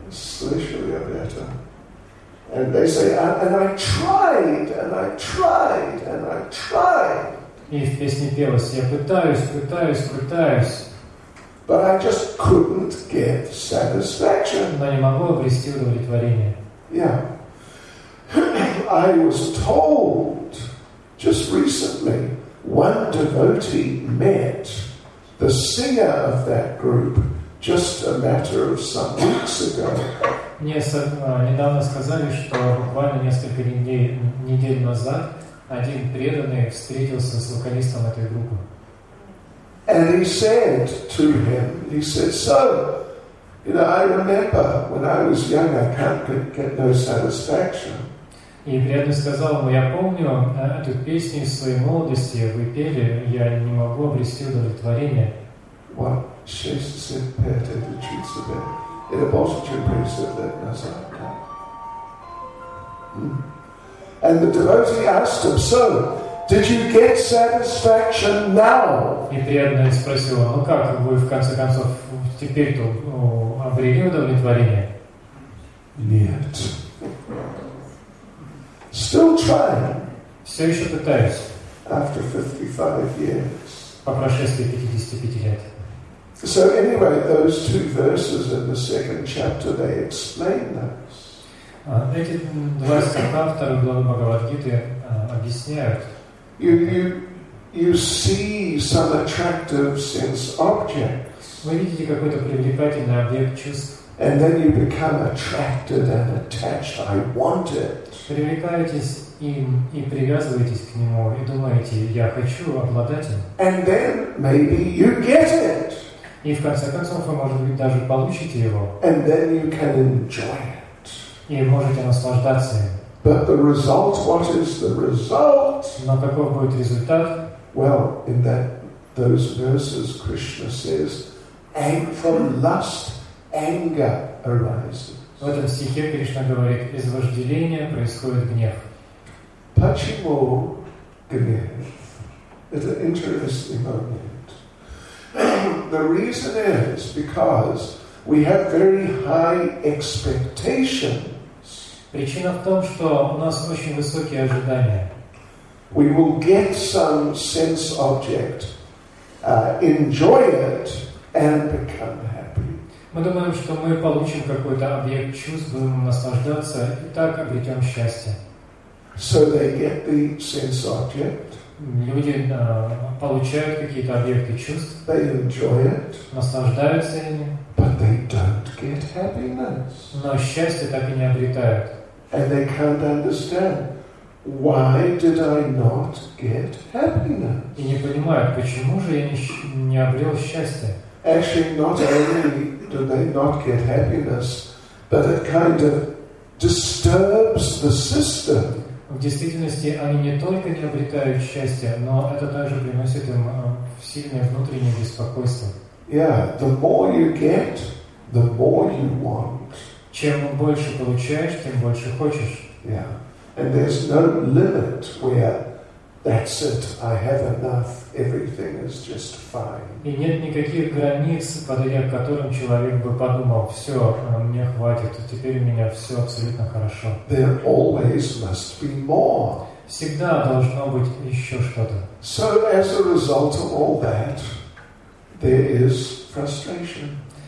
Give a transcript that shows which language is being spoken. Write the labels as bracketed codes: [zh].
[ru] Слышали об этом? [en] And they say, and I tried. [ru] И в песне пелось, я пытаюсь. [en] But I just couldn't get satisfaction. [ru] Но не могу обрести удовлетворение. [en] Yeah. I was told just recently, one devotee met the singer of that group just a matter of some weeks ago. [ru] Мне недавно сказали, что буквально несколько недель назад один преданный встретился с вокалистом этой группы. [en] And he said to him, he said, so, you know, I remember when I was young, I can't get no satisfaction. [ru] И преданный сказал ему, я помню эту песню из своей молодости, вы пели, я не могу обрести удовлетворение. [en] What she said, pay attention to that. It was a chimpanzee that does that. And the devotee asked him, "So, did you get satisfaction now?" [ru] И преданный спросил его, "Ну как вы в конце концов теперь-то обрели удовлетворение?" Нет. [en] Still trying. [ru] Все еще пытаюсь. [en] After 55 years. [ru] По прошествии 55 лет. [en] So anyway, those two verses in the second chapter, they explain this. [ru] Эти два стиха второй главы Бхагавад-гиты объясняют. [en] You see some attractive sense objects. [ru] Вы видите какой-то привлекательный объект чувств. [en] And then you become attracted and attached. I want it. [ru] Привлекаетесь им и привязываетесь к нему и думаете, я хочу обладать им. [en] And then maybe you get it. [ru] И в конце концов вы, может быть, даже получите его. [en] And then you can enjoy it. [ru] И можете наслаждаться им. [en] But the result, what is the result? [ru] Но каков будет результат? [en] Well, in that those verses, Krishna says, and from lust, anger arises. [ru] В этом стихе Кришна говорит, из вожделения происходит гнев. Почему гнев? [en] It's an interesting moment. The reason is because we have very high expectations. [ru] Причина в том, что у нас очень высокие ожидания. [en] We will get some sense object, enjoy it, and become happy. [ru] Мы думаем, что мы получим какой-то объект чувств, будем наслаждаться и так обретем счастье. [en] So they get the sense object. [ru] Люди получают какие-то объекты чувств, [en] they enjoy it, [ru] наслаждаются ими, [en] but they don't get happiness. [ru] Но счастье так и не обретают. [en] And they can't understand, why did I not get happiness? [ru] И не понимают, почему же я не обрел счастье. [en] Actually, not only do they not get happiness, but it kind of disturbs the system. [ru] В действительности они не только не обретают счастья, но это также приносит им сильное внутреннее беспокойство. [en] Yeah, the more you get, the more you want. [ru] Чем больше получаешь, тем больше хочешь. [en] Yeah. And there's no limit where That's it. I have enough. Everything is just fine. [ru] И нет никаких границ, подойдя к которым человек бы подумал: все, мне хватит, теперь у меня все абсолютно хорошо. [en] There always must be more. [ru] Всегда должно быть еще что-то. [en] So as a result of all that, there is frustration.